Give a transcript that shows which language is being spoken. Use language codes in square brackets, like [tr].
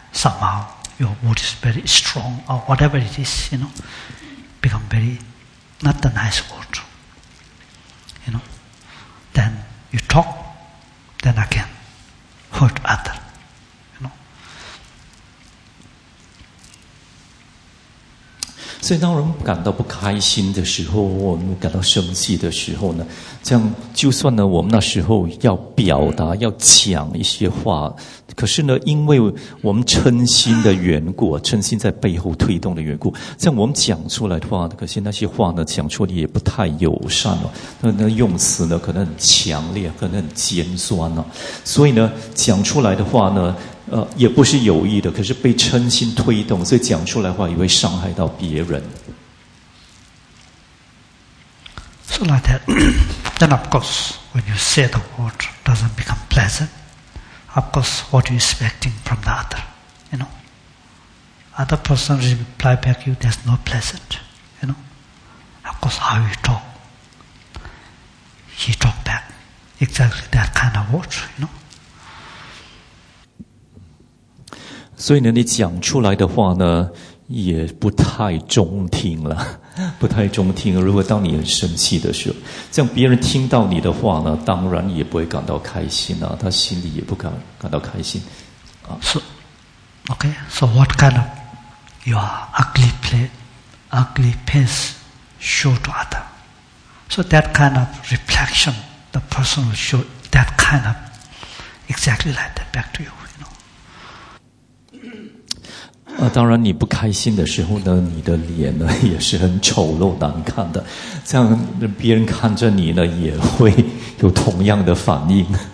[en] Somehow, your word is very strong, or whatever it is, you know, become very, not the nice word. You know, then you talk, then again, hurt other, you know. [zh] 所以当我们感到不开心的时候，我们感到生气的时候呢，这样就算呢我们那时候要表达要讲一些话，可是呢因为我们嗔心的缘故，嗔心在背后推动的缘故，这样我们讲出来的话，可是那些话呢讲出来也不太友善哦，那用词呢可能很强烈，可能很尖酸哦，所以呢讲出来的话呢也不是有意的，可是被嗔心推动，所以讲出来的话也会伤害到别人。 [en] So like that, then of course, when you say the word doesn't become pleasant, of course, what are you expecting from the other? You know, other person reply back you, there's no pleasant. You know, of course, how you talk, he talk back, exactly that kind of word. You know. [zh] 所以呢，你讲出来的话呢，也不太中听了，不太中听。如果当你很生气的时候，这样别人听到你的话呢，当然也不会感到开心啊，他心里也不感到开心啊。 [en] So, okay, so what kind of you are ugly play, ugly face show to other? So that kind of reflection, the person will show that kind of exactly like that back to you. [zh] 当然你不开心的时候呢，你的脸呢也是很丑陋难看的，这样别人看着你呢也会有同样的反应。